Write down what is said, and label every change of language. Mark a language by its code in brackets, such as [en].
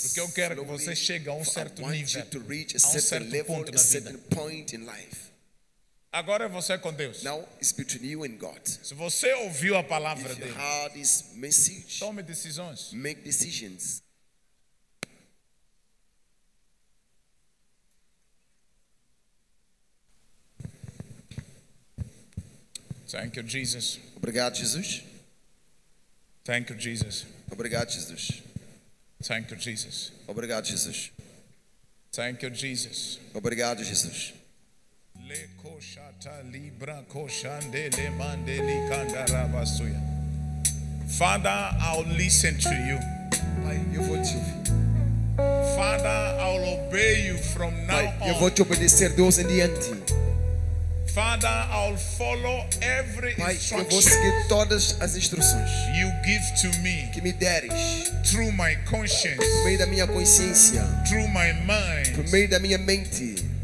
[pt] Porque eu quero que você chegue a um certo nível, [en] to reach a certain level, a certain point in life. [pt] Agora é você com Deus. [en] Now it's between you and God. [pt] Se você ouviu a palavra dele, [en] if you heard his message, [pt] tome decisões. [en] Make decisions. Thank you, Jesus. [pt] Obrigado, Jesus. [en] Thank you, Jesus. [pt] Obrigado, Jesus. [en] Thank you, Jesus. [pt] Obrigado, Jesus. [en] Thank you, Jesus. [pt] Obrigado, Jesus. Le kosha ta libra kosha ndele mandeli kandara basuya. [en] Father, I'll listen to you. [pt] Pai, eu vou te ouvir. [en] Father, I'll obey you from now on. [pt] Pai, eu vou te obedecer Deus em diante. [en] Father, I'll follow every instruction. [pt] Pai, eu vou seguir todas as instruções. [en] You give to me. [pt] Que me deres. [en] Through my conscience. [pt] Por meio da minha consciência. [en] Through my mind. [pt] Por meio da minha mente.